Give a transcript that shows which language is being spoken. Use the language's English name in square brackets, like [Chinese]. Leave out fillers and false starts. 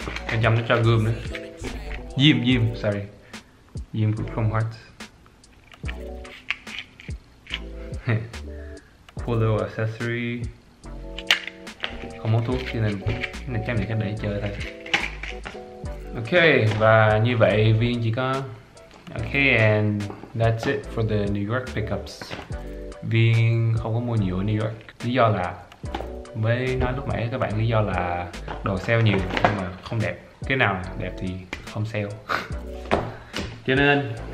[Vietnamese] Bên trong nó cho gươm nữa. Gươm, sorry. Gươm của Chrome Hearts. [English] Cool little accessory. [Vietnamese] Không muốn thuốc cho nên cái này chắc để chơi thôi. Ok, và như vậy Viên chỉ có... [English] Ok, and that's it for the New York pickups. [Vietnamese] Viên không có mua nhiều ở New York. Lý do là... Mới nói lúc nãy các bạn, lý do là đồ sale nhiều nhưng mà không đẹp. Cái nào đẹp thì không sale. Cho nên...